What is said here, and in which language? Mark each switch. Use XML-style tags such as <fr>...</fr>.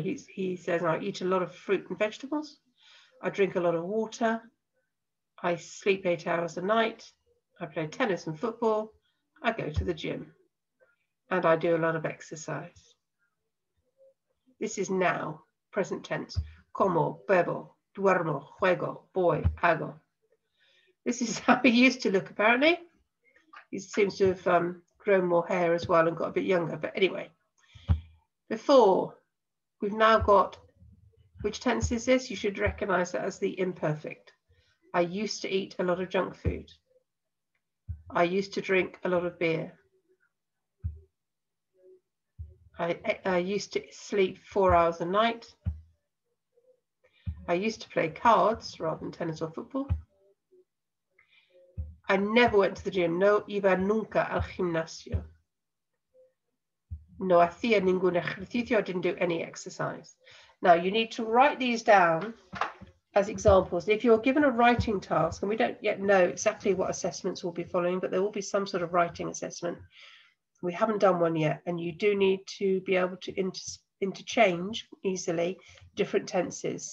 <en>He says, I eat a lot of fruit and vegetables. I drink a lot of water. I sleep 8 hours a night. I play tennis and football. I go to the gym. And I do a lot of exercise. This is now, present tense.</en> <es>Como, bebo, duermo, juego, voy, hago.</es> <en>This is how he used to look, apparently. He seems to have grown more hair as well and got a bit younger. But anyway, before, we've now got, which tense is this? You should recognize that as the imperfect. I used to eat a lot of junk food. I used to drink a lot of beer. I used to sleep 4 hours a night. I used to play cards rather than tennis or football. I never went to the gym.</en> <es>No iba nunca al gimnasio. No hacía ningún ejercicio.</es> <en>I didn't do any exercise. Now, you need to write these down as examples. If you're given a writing task, and we don't yet know exactly what assessments we'll be following, but there will be some sort of writing assessment. We haven't done one yet, and you do need to be able to interchange easily different tenses.</en>